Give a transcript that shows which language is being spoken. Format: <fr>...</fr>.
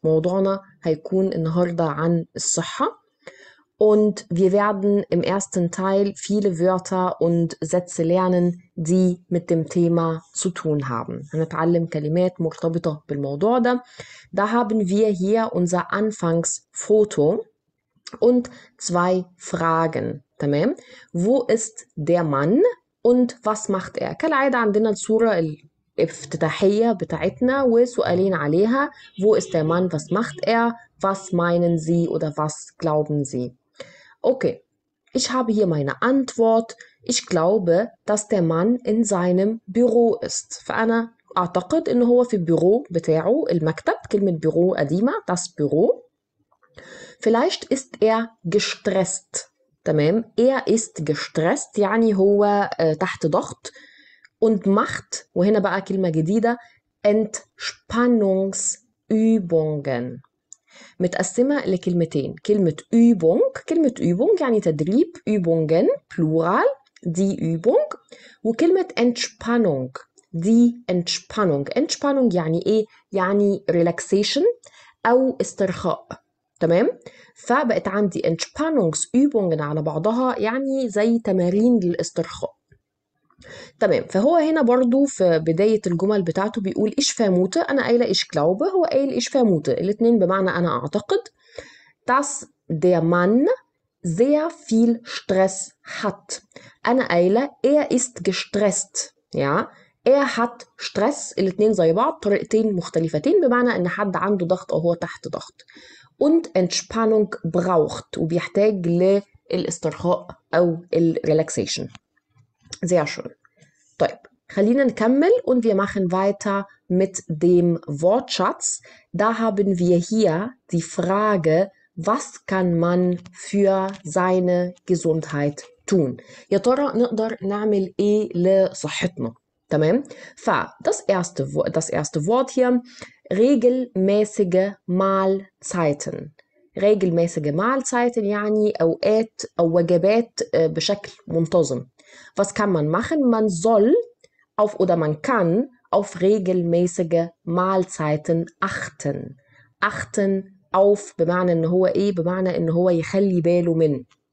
<de>Moudona haykun in horda an Soha. Und wir werden im ersten Teil viele Wörter und Sätze lernen, die mit dem Thema zu tun haben. Da haben wir hier unser Anfangsfoto und zwei Fragen. Tamam. Wo ist der Mann und was macht er?</de> <ar>كالعادة عندنا الصورة الافتتاحية بتاعتنا وسؤالين عليها.</ar> <de>Wo ist der Mann? Was macht er? Was meinen Sie oder was glauben Sie? Okay, ich habe hier meine Antwort. Ich glaube, dass der Mann in seinem Büro ist.</de> <ar>فأنا أعتقد إنه هو في البيرو بتاعه المكتب. كلمة بيرو قديمة.</ar> <de>Das Büro. Vielleicht ist er gestresst.</de> <ar>تمام.</ar> <de>Er ist gestresst,</de> <ar>يعني هو تحت ضغط</ar> <de>und macht,</de> <ar>وهنا بقى كلمة جديدة, Entspannungsübungen. متقسمة لكلمتين, كلمة Übung, كلمة Übung يعني تدريب, Übungen, Plural, die Übung, وكلمة Entspannung, die Entspannung. Entspannung يعني إيه؟ يعني Relaxation أو استرخاء. تمام؟ فبقت عندي Entspannungsübungen على بعضها يعني زي تمارين للاسترخاء. تمام، فهو هنا برضو في بداية الجمل بتاعته بيقول إيش فاموته؟ أنا قايلة إيش كلاوبه؟ هو قايل إيش فاموته؟ الاتنين بمعنى أنا أعتقد.</ar> <de>Dass der Mann sehr viel Stress hat.</de> <ar>أنا قايلة</ar> <de>er ist gestresst. Ja؟ er hat Stress.</de> <ar>الاتنين زي بعض، طريقتين مختلفتين بمعنى إن حد عنده ضغط أو هو تحت ضغط.</ar> <de>Und Entspannung braucht,</de> <ar>وبيحتاج للاسترخاء أو الريلاكسيشن.</ar> <de>Sehr schön.</de> <ar>طيب, خلينا نكمل</ar> <de>und wir machen weiter mit dem Wortschatz. Da haben wir hier die Frage, was kann man für seine Gesundheit tun?</de> <ar>يا ترى نقدر نعمل إيه لصحتنا؟ تمام؟ فـ</ar> <de>das erste Wort hier. Regelmäßige Mahlzeiten. Regelmäßige Mahlzeiten,</de> <ar>يعني أوقات أو وجبات بشكل منتظم.</ar> <de>Was kann man machen? Man soll auf oder man kann auf regelmäßige Mahlzeiten achten. Achten auf,</de> <ar>بمعنى إن هو إيه؟ بمعنى إن هو يخلي باله من.</ar>